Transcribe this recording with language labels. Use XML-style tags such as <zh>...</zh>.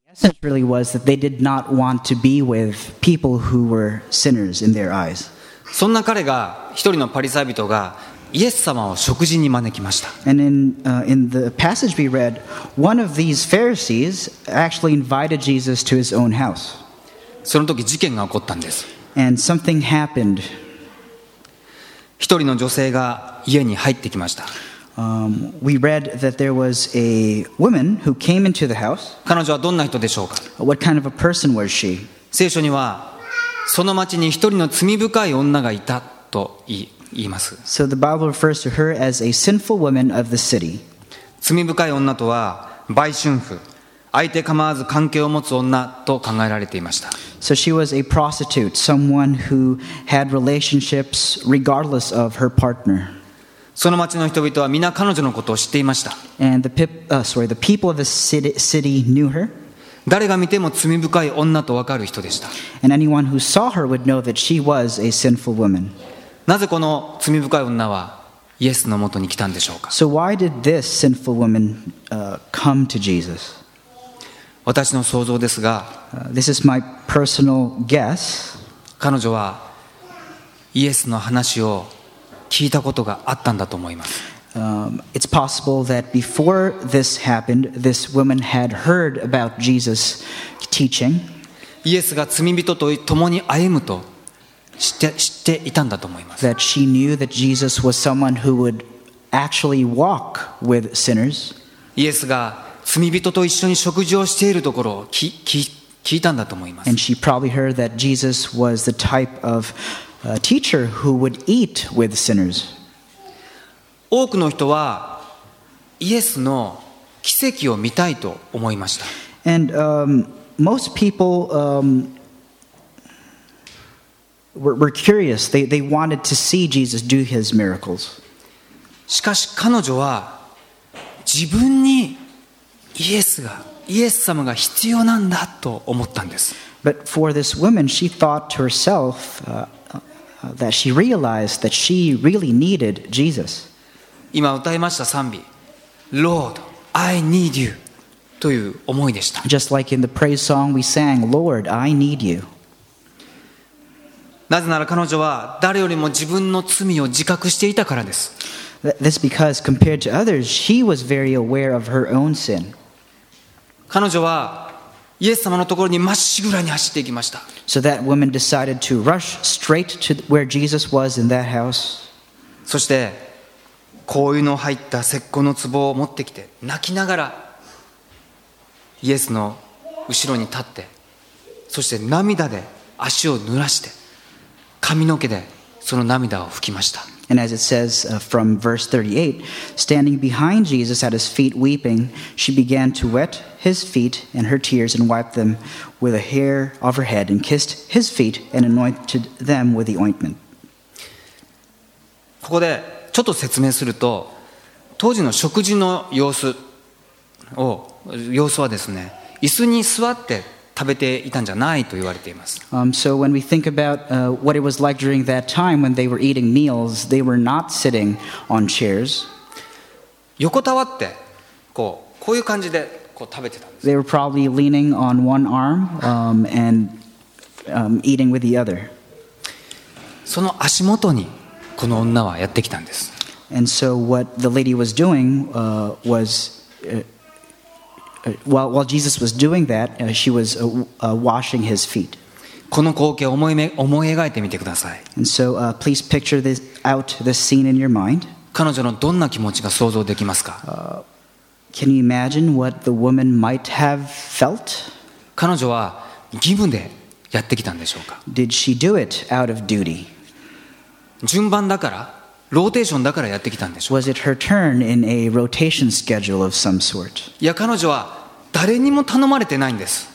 <en>essence really was that they did not want to be with people who were sinners in their eyes.</en> <ja>そんな彼が一人のパリサイ人がイエス様を食事に招きました。</ja> <en>And in the passage we read, one of these Pharisees actually invited Jesus to his own house.</en> <ja>その時事件が起こったんです。</ja> <en>And something happened.</en> <ja>一人の女性が家に入ってきました。</ja> <en>We read that there was a woman who came into the house.</en> <ja>彼女はどんな人でしょうか?</ja> <en>What kind of a person was she?</en> <ja>聖書にはその町に一人の罪深い女がいたと言います。</ja> <en>So the Bible refers to her as a sinful woman of the city.</en> <ja>罪深い女とは売春婦、相手構わず関係を持つ女と考えられていました。</ja> <en>So she was a prostitute, someone who had relationships regardless of her partner.</en> <ja>その町の人々は皆彼女のことを知っていました。</ja> <en>And the people of the city knew her.</en> <ja>誰が見ても罪深い女と分かる人でした。</ja> <en>And anyone who saw her would know that she was a sinful woman.</en> <ja>なぜこの罪深い女はイエスのもとに来たんでしょうか?</ja> <en>So why did this sinful woman come to Jesus?</en> <ja>私の想像ですが、</ja> <en>This is my personal guess.</en> <ja>彼女はイエスの話を聞いたことがあったんだと思います。</ja> <en>It's possible that before this happened, this woman had heard about Jesus' teaching.</en> <ja>イエスが罪人と共に歩むと知っていたんだと思います。</ja> <en>That she knew that Jesus was someone who would actually walk with sinners.</en> <ja>イエスが罪人と一緒に食事をしているところを聞いたんだと思います。</ja> <en>And she probably heard that Jesus was the type of teacher who would eat with sinners.</en> <ja>多くの人はイエスの奇跡を見たいと思いました。</ja> <en>And most people were curious. They wanted to see Jesus do his miracles.</en> <ja>しかし彼女は自分にイエス様が必要なんだと思ったんです。</ja> <en>But for this woman, she thought to herself that she realized that she really needed Jesus.</en> <ja>今歌いました賛美</ja> <en>Lord, I need you</en> <ja>という思いでした</ja> <en>Just like in the praise song we sang Lord, I need you</en> <ja>なぜなら彼女は誰よりも自分の罪を自覚していたからです</ja> <en>That's because compared to others she was very aware of her own sin</en> <ja>彼女はイエス様のところにまっしぐらに走っていきました</ja> <en>So that woman decided to rush straight to where Jesus was in that house</en> <ja>そして香油の入った石膏の壺を持ってきて泣きながらイエスの後ろに立ってそして涙で足を濡らして髪の毛でその涙を拭きました</ja> <en>And as it says from verse 38 Standing behind Jesus at his feet weeping She began to wet his feet and her tears And wiped them with a hair of her head And kissed his feet and anointed them with the ointment</en> <ja>ここでちょっと説明すると当時の食事の様子はですね椅子に座って食べていたんじゃないと言われています</ja> <en>So when we think about what it was like during that time when they were eating meals they were not sitting on chairs</en> <ja>横たわってこういう感じでこう食べてたんです</ja> <en>They were probably leaning on one arm and eating with the other</en> <ja>その足元にこの女はやってきたんです。</ja> <en>And so what the lady was doing was while Jesus was doing that, she was washing his feet.</en> <ja>この光景を思い描いてみてください。</ja> <en>And so please picture this out this scene in your mind.</en> <ja>彼女のどんな気持ちが想像できますか?</ja> <en>Can you imagine what the woman might have felt?</en> <ja>彼女は義務でやってきたんでしょうか?</ja> <en>Did she do it out of duty?</en> <ja>順番だからローテーションだからやってきたんでしょうか</ja> <en>Was it her turn in a rotation schedule of some sort?</en> <ja>いや彼女は誰にも頼まれてないんです</ja>